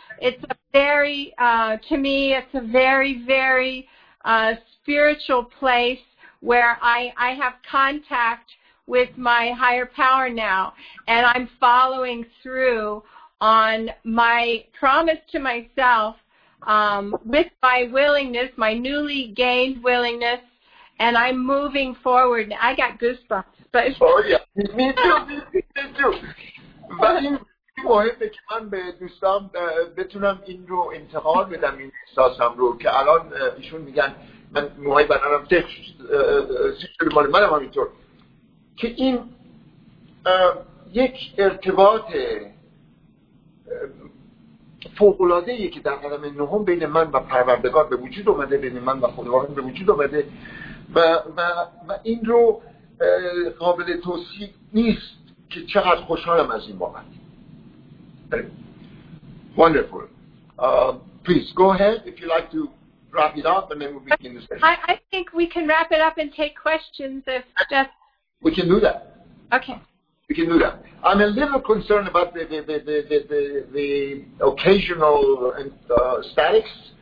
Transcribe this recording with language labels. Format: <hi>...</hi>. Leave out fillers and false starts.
<en>It's a very, to me, it's a very, very spiritual place where I have contact with my higher power now, and I'm following through on my promise to myself with my willingness, my newly gained willingness, and I'm moving forward. I got goosebumps. But oh, yeah. Me too.</en> <fa>مهمه که من به دوستام بتونم این رو انتقال بدم، این احساسم رو که الان ایشون میگن من موهای بدنم سیستم مال منم همینطور، که این یک ارتباط فوق‌العاده‌ای که در قدم نهم بین من و پروردگار به وجود اومده، بین من و خداوند به وجود اومده و این رو قابل توصیف نیست که چقدر خوشحالم از این بابت.</fa> <en>Wonderful. Please go ahead if you'd like to wrap it up, and then we'll begin the session. I think we can wrap it up and take questions if Jeff. We can do that. Okay. We can do that. I'm a little concerned about the occasional statics.</en>